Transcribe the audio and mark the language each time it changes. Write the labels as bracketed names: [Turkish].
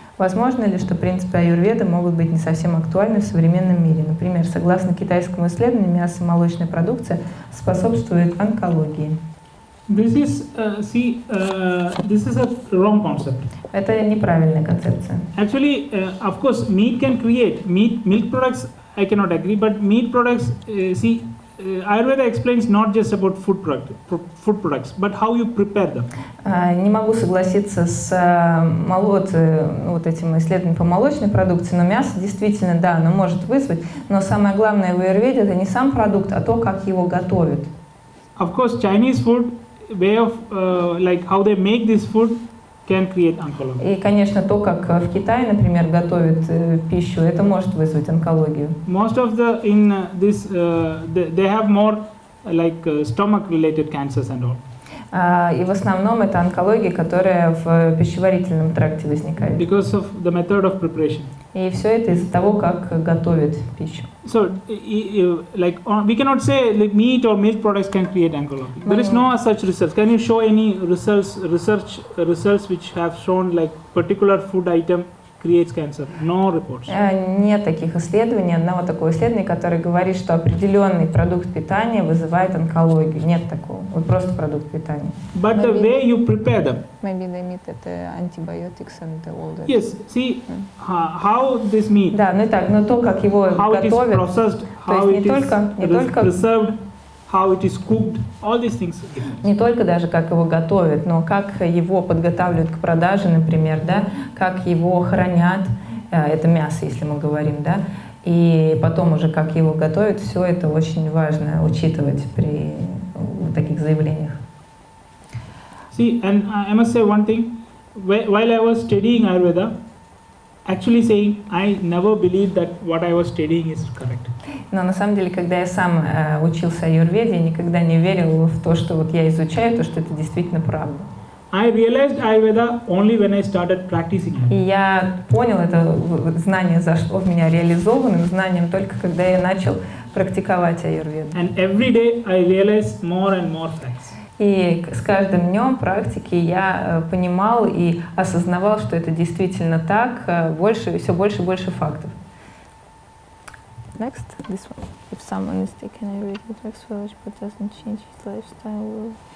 [Russian] Возможно ли, что принципы аюрведы могут быть не совсем актуальны в современном мире? Например, согласно китайскому исследованию, мясо и молочная продукция способствует онкологии. [English] This is a wrong concept. [Russian] Это неправильная концепция. [English] Actually, of course, meat can create meat. Milk products, I cannot agree. But meat products, Ayurveda explains not just about food products, but how you prepare them. [Russian] Не могу согласиться с вот этим исследованием по молочной продукции, но мясо действительно, да, оно может вызвать. Но самое главное в Ayurveda это не сам продукт, а то, как его готовят. [English] Of course, Chinese food. Way of like how they make this food can create oncology. [Russian] И, конечно, то, как в Китае, например, готовят пищу, это может вызвать онкологию. [English] Most of the in this they have more like stomach related cancers and all. [Russian] И в основном это онкология, которая в пищеварительном тракте возникает. [English] Because of the method of preparation. [Russian] И все это из-за того, как готовят пищу. [English] So, like, we cannot say like meat or milk products can create oncology. There is no such research. Can you show any research which have shown like particular food item creates cancer? No reports. [Russian] Нет таких исследований, одного такого исследования, которое говорит, что определенный продукт питания вызывает онкологию. Нет такого. Вот просто продукт питания. [English] But maybe, the way you prepare them. Maybe the meat [Russian] это [English] antibiotics and all that. Yes. See how this meat. [Russian] Да, ну так, но то, как его [English] how [Russian] готовят. [English] How it is processed, how it is preserved, how it is cooked, all these things. [Russian] Не только даже как его готовят, но как его подготавливают к продаже, например, да, как его хранят, это мясо, если мы говорим, да, и потом уже как его готовят, все это очень важно учитывать при таких заявлениях. [English] See, and I must say one thing. While I was studying Ayurveda, actually saying, I never believed that what I was studying is correct. [Russian] Но на самом деле, когда я сам учился аюрведе, я никогда не верил в то, что вот я изучаю, то, что это действительно правда. [English] I realized Ayurveda only when I started practicing. [Russian] И я понял это знание зашло в меня реализованным знанием только когда я начал практиковать аюрведу. [English] And every day I realized more and more facts. [Russian] И с каждым днем практики я понимал и осознавал, что это действительно так, больше, все больше и больше фактов. [English] Next, this one. If someone is taking Ayurvedic food, but doesn't change his lifestyle.